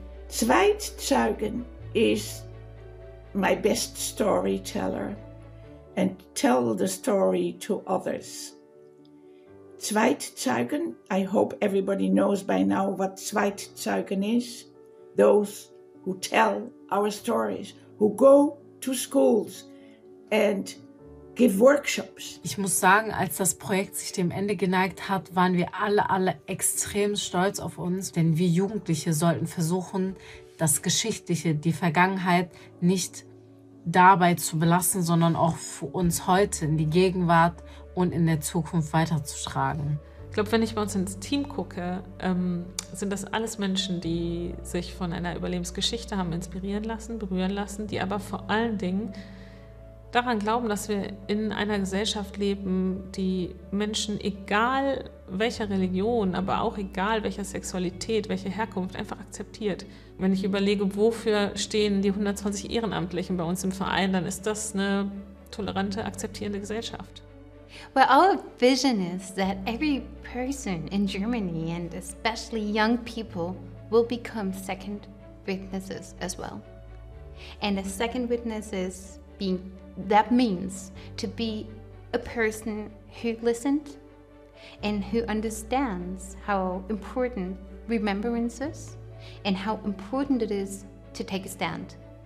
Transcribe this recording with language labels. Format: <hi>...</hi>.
<en>Zweitzeugen is my best storyteller and tell the story to others. Zweitzeugen, I hope everybody knows by now what Zweitzeugen is. Those who tell our stories, who go to schools and give workshops.</en> <de>Ich muss sagen, als das Projekt sich dem Ende geneigt hat, waren wir alle extrem stolz auf uns. Denn wir Jugendliche sollten versuchen, das Geschichtliche, die Vergangenheit nicht dabei zu belassen, sondern auch für uns heute in die Gegenwart und in der Zukunft weiterzutragen. Ich glaube, wenn ich bei uns ins Team gucke, sind das alles Menschen, die sich von einer Überlebensgeschichte haben inspirieren lassen, berühren lassen, die aber vor allen Dingen daran glauben, dass wir in einer Gesellschaft leben, die Menschen, egal welcher Religion, aber auch egal welcher Sexualität, welche Herkunft, einfach akzeptiert. Wenn ich überlege, wofür stehen die 120 Ehrenamtlichen bei uns im Verein, dann ist das eine tolerante, akzeptierende Gesellschaft.</de> <en>Well, our vision is that every person in Germany and especially young people will become second witnesses as well. And a second witness is being, that means to be a person who listened and who understands how important remembrance is and how important it is to take a stand.</en>